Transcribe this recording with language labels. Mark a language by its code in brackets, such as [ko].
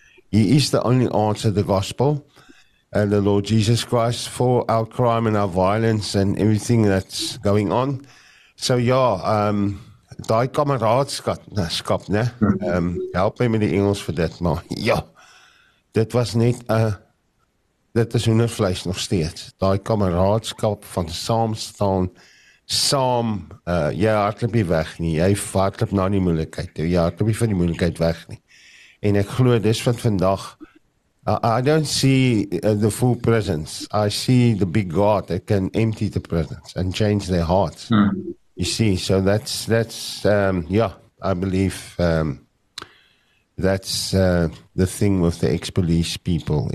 [en] He is the only answer, the gospel, and the Lord Jesus Christ, for our crime and our violence and everything that's going on. [af] So, yeah, die kameraadskap, ne? [en] Help me with the English for that, man. Yeah, that was net, that is [af] hoendervleis nog steeds. Die kameraadskap van saamstaan. Saam, jy hardloop nie weg nie, jy hardloop na die moeilikheid, jy hardloop nie van die moeilikheid weg nie. En ek glo, dis wat vandag, [en] I don't see the full prisons, I see the big God that can empty the prisons and change their hearts. You see, so I believe that's the thing with the ex-police people.